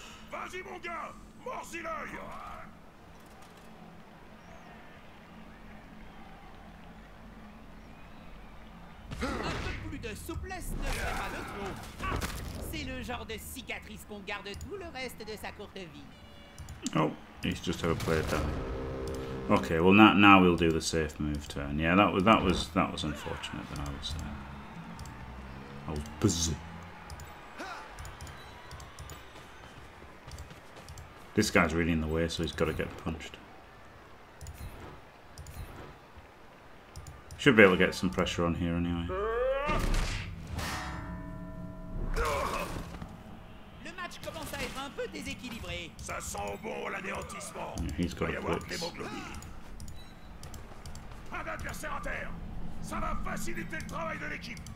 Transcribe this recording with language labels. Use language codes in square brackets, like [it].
[fr] Vas-y, mon gars, mords-y l'œil. Souplesse ne fait pas de trop. Ah, c'est le genre de cicatrice qu'on garde tout le reste de sa courte vie. [en] Oh, he's just overplayed that. Okay, well now we'll do the safe move turn. Yeah, that was unfortunate that I was there. I was busy. This guy's really in the way, so he's got to get punched. Should be able to get some pressure on here anyway. [fr] Le match commence à être un peu déséquilibré. Ça sent bon l'anéantissement. [en] Yeah, he's got a blitz. [fr] Un adversaire à terre. Ça va faciliter le travail de l'équipe.